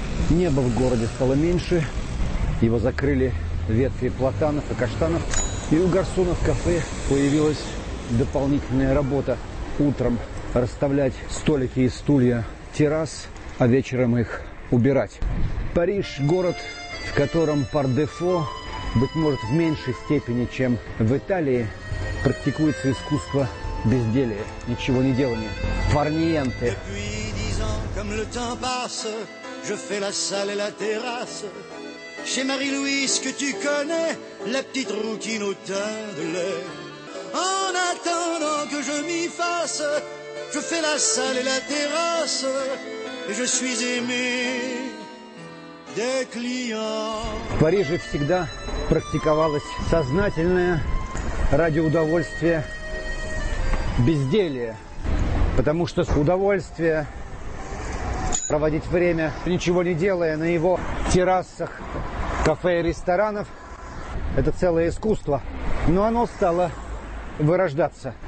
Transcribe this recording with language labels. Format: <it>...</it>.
<ru>Небо в городе стало меньше, его закрыли ветви платанов и каштанов, и у гарсона в кафе появилась дополнительная работа – утром расставлять столики и стулья террас, а вечером их убирать. Париж – город, в котором пар-де-фо, быть может, в меньшей степени, чем в Италии, практикуется искусство безделие, ничего не делание. Фарниенты.</ru> <fr>Depuis 10 ans, comme le temps passe, je fais la salle et la terrasse. Chez Marie-Louise, que tu connais, la petite routine au teint de l'air. En attendant que je m'y fasse, je fais la salle et la terrasse. Et je suis aimé des clients.</fr> <ru>В Париже всегда практиковалось сознательное ради удовольствия безделье, потому что удовольствие проводить время, ничего не делая на его террасах, кафе и ресторанов, это целое искусство, но оно стало вырождаться.</ru>